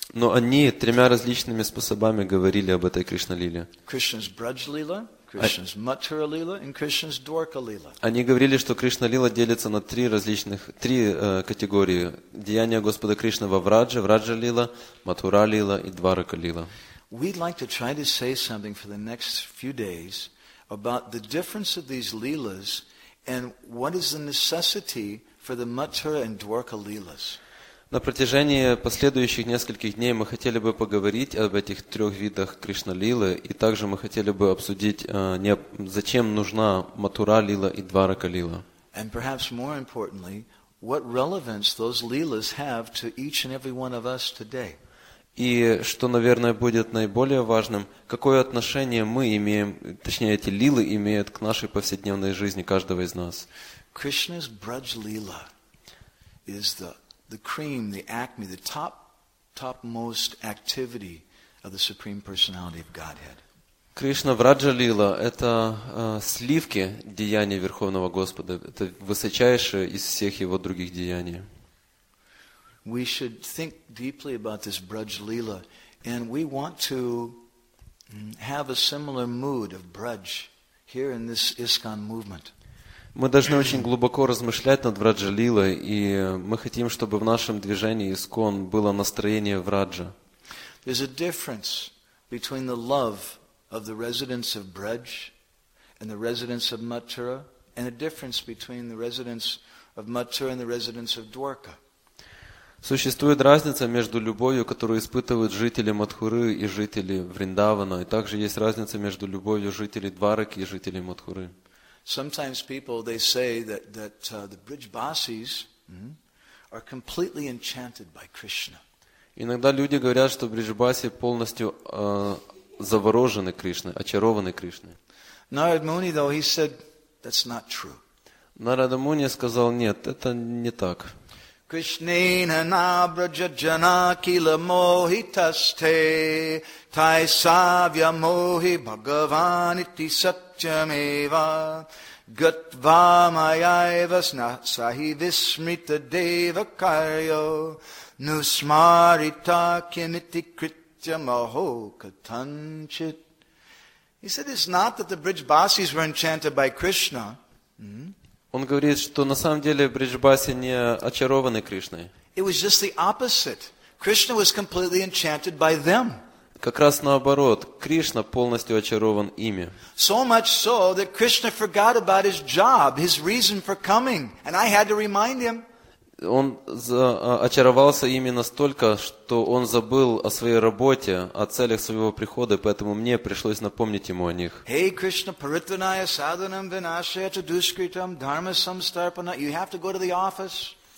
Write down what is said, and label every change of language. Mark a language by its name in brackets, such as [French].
[Russian] Но они тремя различными способами говорили об этой Кришна Лиле. [English] Krishna's Braj Lila, Krishna's Mathura Lila, and Krishna's Dwarka Lila. [Russian] Они говорили, что Кришна Лила делится на три различных, три категории. Деяния Господа Кришны во Врадже, Враджа Лила, Матура Лила и Дварака Лила. [English] We'd like to try to say something for the next few days about the difference of these Lilas and what is the necessity for the Mathura and Dwarka Lilas. [Russian] На протяжении последующих нескольких дней мы хотели бы поговорить об этих трех видах Кришна-лилы, и также мы хотели бы обсудить, зачем нужна Матура-лила и Дварака-лила. [English] And perhaps more importantly, what relevance those lilas have to each and every one of us today. [Russian] И что, наверное, будет наиболее важным, какое отношение мы имеем, точнее, эти лилы имеют к нашей повседневной жизни каждого из нас. [English] Krishna's Braj-lila is the cream, the acme, the topmost activity of the Supreme Personality of Godhead. [Russian] Krishna Vraja Lila – это сливки деяний Верховного Господа. Это высочайшее из всех его других деяний. [English] We should think deeply about this Braj Lila, and we want to have a similar mood of Braj here in this ISKCON movement. [Russian] Мы должны очень глубоко размышлять над Враджа Лилой, и мы хотим, чтобы в нашем движении ИСКОН было настроение Враджа. [English] There's a difference between the love of the residents of Braj and the residents of Mathura, and a difference between the residents of Mathura and the residents of Dwarka. [Russian] Существует разница между любовью, которую испытывают жители Матхуры и жители Вриндавана, и также есть разница между любовью жителей Двараки и жителей Матхуры. [English] Sometimes people they say that the Brijbasis are completely enchanted by Krishna. [Russian] Иногда люди говорят, что Бриджбаси полностью заворожены Кришной, очарованы Кришной. [English] Narad Muni though he said that's not true. [Russian] Narada Muni сказал: "Нет, это не так." [Sanskrit] Krishna na brajjana kila mohitaste tai savya mohi bhagavan iti satyameva gatva mayaiva sahi vismrita deva karyo nusmarita kimiti kritya maho katanchit. [English] He said it's not that the Brijbasis were enchanted by Krishna. [Russian] Он говорит, что на самом деле Бриджбаси не очарованы Кришной. [English] It was just the opposite. Krishna was completely enchanted by them. [Russian] Как раз наоборот, Кришна полностью очарован ими. [English] So much so that Krishna forgot about his job, his reason for coming, and I had to remind him. [Russian] он очаровался ими настолько, что он забыл о своей работе, о целях своего прихода, поэтому мне пришлось напомнить ему о них. [English] Hey, Krishna, [Sanskrit] Paritvanaya, Sadhanam, Vinashaya, Tadushkritam, Dharmasam, Starpana, [English] you have to go to the office.